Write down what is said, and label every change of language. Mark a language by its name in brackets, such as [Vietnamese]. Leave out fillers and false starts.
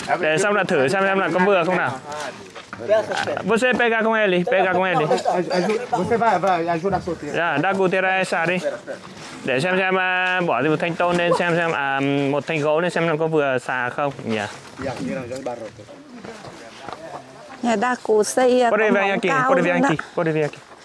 [Vietnamese] Để xong là thử xem là có vừa không nào. [Portuguese] Você pega com ele, pega com ele. Você vai, ajuda a sortir. Yeah, dá goteira essa ali. [Vietnamese] Để xem bỏ đi một thanh tôn lên xem à một thanh gỗ lên xem nó có vừa xà không nhỉ. [English] Yeah. [Vietnamese] Nhà đa cụ xây cao. [Portuguese] Pode vir aqui, pode vir aqui, pode vir aqui.